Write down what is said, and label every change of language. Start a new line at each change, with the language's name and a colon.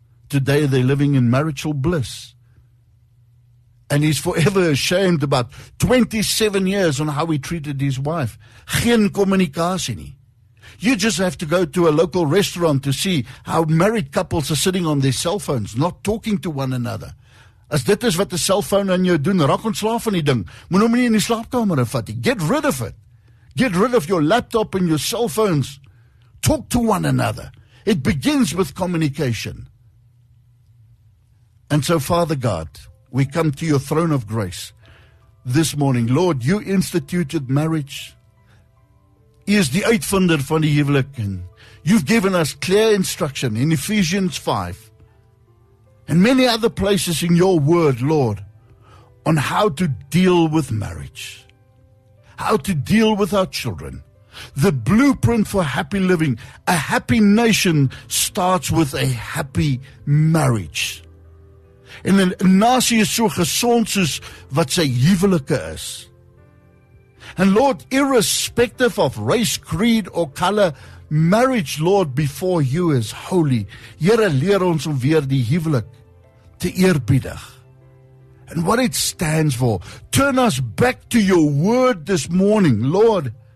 English: Today they're living in marital bliss, and he's forever ashamed about 27 years on how he treated his wife.
Afrikaans: Geen communicatie nie.
English: You just have to go to a local restaurant to see how married couples are sitting on their cell phones, not talking to one another.
Afrikaans: As dit is wat 'n selfoon aan jou doen, raak ontslaaf van die ding. Moenie hom nie in die slaapkamer vat nie.
English: Get rid of it. Get rid of your laptop and your cell phones. Talk to one another. It begins with communication. And so, Father God, we come to your throne of grace this morning. Lord, you instituted marriage.
Afrikaans: U is die uitvinder van die huwelik.
English: You've given us clear instruction in Ephesians 5. And many other places in your word, Lord, on how to deal with marriage, how to deal with our children. The blueprint for happy living, a happy nation starts with a happy marriage.
Afrikaans: En 'n nasie is so gesond soos wat sy huwelike is.
English: And Lord, irrespective of race, creed or color, marriage, Lord, before you is holy.
Afrikaans: Here, leer ons om weer die huwelik te eerbiedig.
English: And what it stands for. Turn us back to your word this morning, Lord.